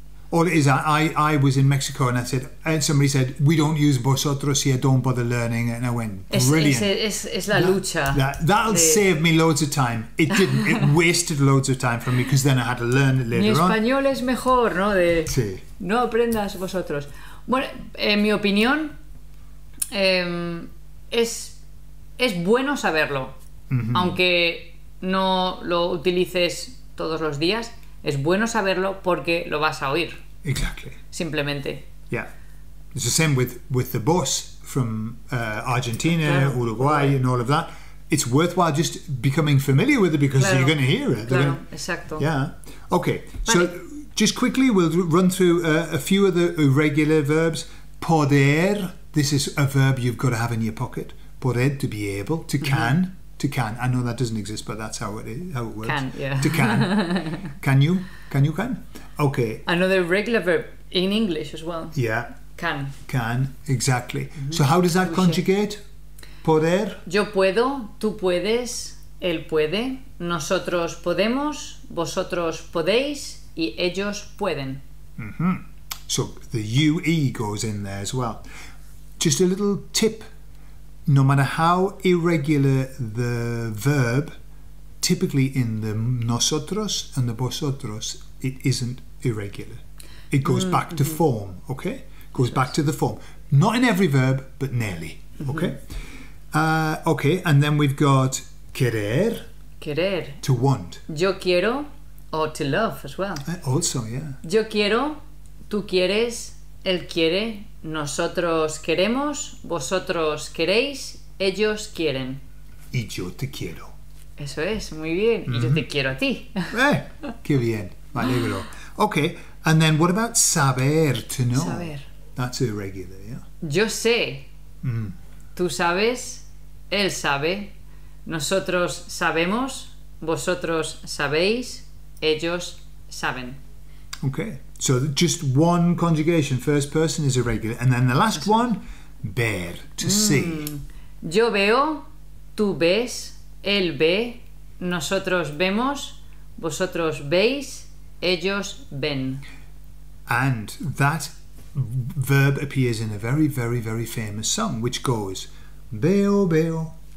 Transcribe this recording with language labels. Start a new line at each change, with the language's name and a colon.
English: All it is, I was in Mexico and I said, and somebody said, we don't use vosotros here, don't bother learning. And I went, brilliant.
Spanish: Es la lucha.
English: That'll save me loads of time. It didn't. It wasted loads of time for me, because then I had to learn it later on.
Spanish: Mi español es mejor, ¿no? Sí. No aprendas vosotros. Bueno, en mi opinión, es bueno saberlo. Mm-hmm. Aunque no lo utilices todos los días, es bueno saberlo porque lo vas a oír.
English: Exactly.
Spanish: Simplemente.
English: Yeah. It's the same with the boss from Argentina, claro. Uruguay, and all of that. It's worthwhile just becoming familiar with it, because claro. You're going to hear it.
Spanish: Claro, exacto.
English: Yeah. Okay. Vale. So just quickly, we'll run through a few of the irregular verbs. Poder. This is a verb you've got to have in your pocket. Poder, to be able. To can. Mm-hmm. To can. I know that doesn't exist, but that's how it works. Can, yeah. To can. Can you? Can you can? Okay. Another regular verb in English as well. Yeah. Can. Can, exactly. Mm-hmm. So how does that conjugate?
Spanish: Poder. Yo puedo, tú puedes, él puede, nosotros podemos, vosotros podéis, y ellos pueden. Mm-hmm.
English: So the U-E goes in there as well. Just a little tip. No matter how irregular the verb, typically in the nosotros and the vosotros, it isn't irregular. It goes mm-hmm. back to form, okay? Goes back to the form. Not in every verb, but nearly, mm-hmm. okay? Okay, and then we've got querer.
Spanish: Querer.
English: To want.
Spanish: Yo quiero,
English: or to love as well. Also, yeah.
Spanish: Yo quiero, tú quieres, él quiere. Nosotros queremos, vosotros queréis, ellos quieren. Y yo te quiero. Eso es, muy bien. Mm-hmm. Y yo te quiero a ti. Qué bien, me alegro.
English: Okay, and then what about saber, to know?
Spanish: Saber.
English: That's irregular, yeah.
Spanish: Yo sé. Mm. Tú sabes, él sabe. Nosotros sabemos, vosotros sabéis, ellos saben.
English: Okay. So just one conjugation, first person is irregular. And then the last one, ver, to see.
Spanish: Yo veo, tú ves, él ve, nosotros vemos, vosotros veis, ellos ven.
English: And that verb appears in a very, very, very famous song, which goes,
Spanish: veo, veo,